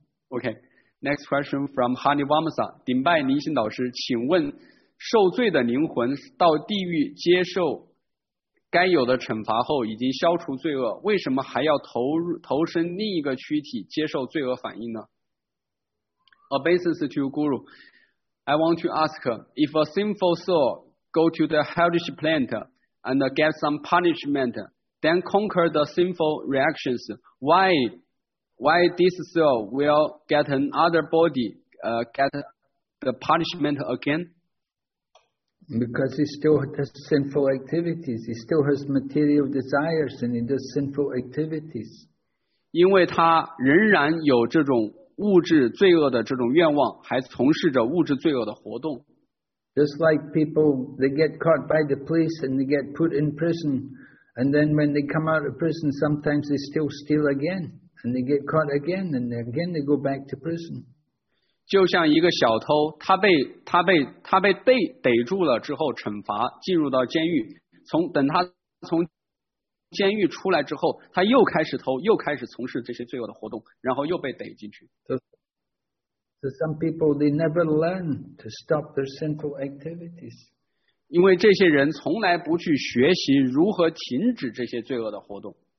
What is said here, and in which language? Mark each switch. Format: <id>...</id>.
<en>Okay. Next question from Hani Vamsa,</en> <zh>顶拜灵性导师，请问受罪的灵魂到地狱接受。该有的惩罚后已经消除罪恶，为什么还要投身另一个躯体接受罪恶反应呢？</zh> <en>Obeisance to Guru, I want to ask, if a sinful soul go to the hellish planet and get some punishment, then conquer the sinful reactions. Why this soul will get another body, get the punishment again? Because he still has sinful activities. He still has material desires and he does sinful activities.</en> <zh>因为他仍然有这种物质罪恶的这种愿望，还从事着物质罪恶的活动。</zh> <en>Just like people, they get caught by the police and they get put in prison. And then when they come out of prison, sometimes they still steal again. And they get caught again, and again they go back to prison.</en> <zh>就像一个小偷，他被逮住了之后惩罚，进入到监狱。等他从监狱出来之后，他又开始偷，又开始从事这些罪恶的活动，然后又被逮进去。</zh> <en>So some people, they never learn to stop their sinful activities.</en> <zh>因为这些人从来不去学习如何停止这些罪恶的活动。</zh>